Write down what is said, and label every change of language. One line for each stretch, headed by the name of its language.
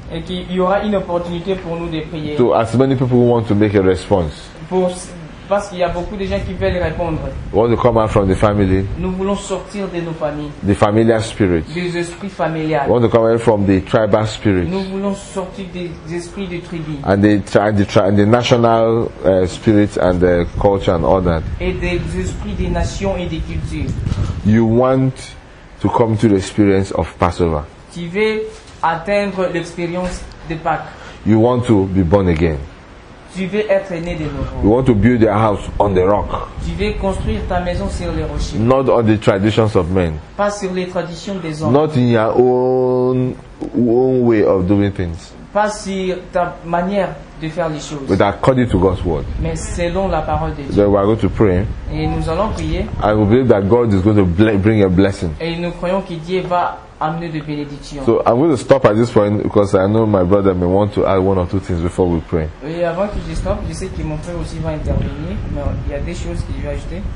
French: Et qu'il y aura une opportunité pour nous de prier.
English: To as many people who want to make a response.
French: Pour Parce qu'il y a beaucoup de gens qui veulent répondre.
English: Want to come out from the family.
French: Nous voulons sortir de nos familles.
English: The familiar spirit.
French: Des esprits familiales.
English: Want to come out from the tribal spirit.
French: Nous voulons sortir des esprits de tribu.
English: And the national spirit and the culture and all that.
French: Et des esprits des nations et des cultures.
English: You want to come to the experience of Passover.
French: Tu veux atteindre l'expérience de Pâques.
English: You want to be born again.
French: Tu veux être né de nouveau.
English: You want to build your house on the rock.
French: Tu veux construire ta maison sur les rochers.
English: Not on the traditions of men.
French: Pas sur les traditions des hommes.
English: Not in your own way of doing things.
French: Pas sur ta manière de faire les choses.
English: But according to God's word.
French: Mais selon la parole de Dieu.
English: So we are going to pray.
French: Et nous allons prier.
English: I believe that God is going to bring a blessing.
French: Et nous croyons que Dieu va amener des bénédictions.
English: So I'm going to stop at this point because I know my brother may want to add one or two things before we pray.
French: Et avant que je stoppe, je sais que mon frère aussi va intervenir, mais il y a des choses que je vais ajouter.